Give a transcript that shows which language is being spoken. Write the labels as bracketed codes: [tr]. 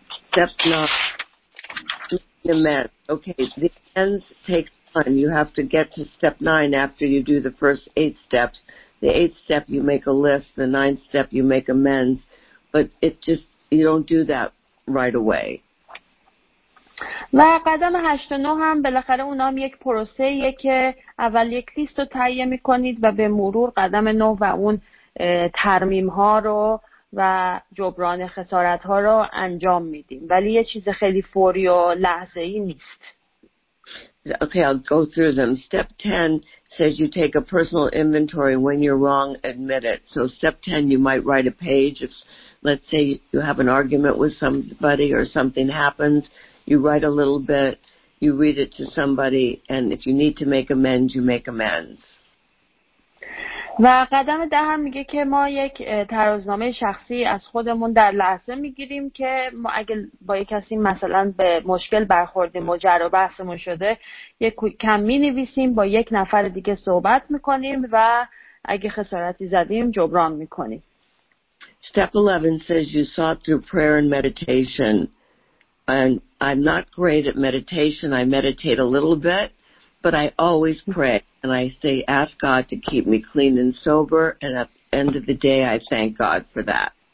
[en] step nine meant, okay, the ends take time. You have to get to step nine after you do the first eight steps. The eighth step, you make a list. The ninth step, you make amends. But it just, you don't do that right away. [fa] و قدم 8 و 9 هم بالاخره اونا هم یک پروسه یه که اول یک لیست رو تهیه میکنید و به مرور قدم 9 و اون ترمیم ها رو و جبران خسارت ها رو انجام میدیم، ولی یه چیز خیلی فوری و لحظه ای نیست. [en] Okay, I'll go through them. Step 10 says you take a personal inventory. When you're wrong, admit it. So step 10, you might write a page. If, let's say you have an argument with somebody or something happens, you write a little bit, you read it to somebody, and if you need to make amends, you make amends. [fa] و قدم ده هم میگه که ما یک ترازنامه شخصی از خودمون در لحظه میگیریم که ما اگه با یک کسی مثلا به مشکل برخورده مجر و بحثمون شده، یک کم می نویسیم، با یک نفر دیگه صحبت میکنیم و اگه خسارتی زدیم جبران میکنیم. [en] Step 11 says you sought through prayer and meditation. And I'm not great at meditation. I meditate a little bit, but I always pray. And I say, ask God to keep me clean and sober. And at the end of the day, I thank God for that.